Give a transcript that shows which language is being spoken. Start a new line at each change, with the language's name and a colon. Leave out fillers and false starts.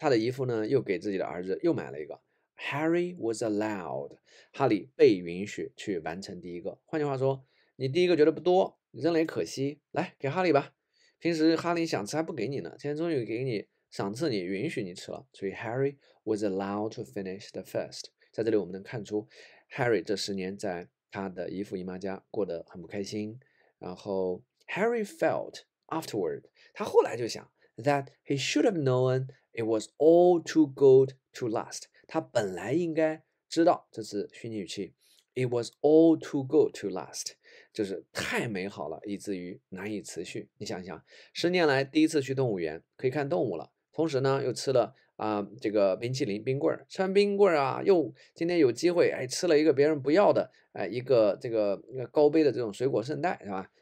Chinese: 他的姨父呢又给自己的儿子又买了一个。
English: Harry was allowed.
Chinese: 哈利被允许去完成第一个。换句话说，你第一个觉得不多，扔了也可惜，来给哈利吧。平时哈利想吃还不给你呢，今天终于给你赏赐你，允许你吃了。所以
English: Harry was allowed to finish the first.
Chinese: 在这里我们能看出 ，Harry 这十年在他的姨父姨妈家过得很不开心。然后
English: Harry felt. Afterward,
Chinese: 他后来就想
English: that he should have known it was all too good to last.
Chinese: 他本来应该知道，这是虚拟语气
English: ，it was all too good to last,
Chinese: 就是太美好了，以至于难以持续。你想想，十年来第一次去动物园，可以看动物了，同时呢又吃了这个冰淇淋冰棍儿，吃完冰棍儿啊，又今天有机会哎吃了一个别人不要的哎一个这个高杯的这种水果圣代是吧？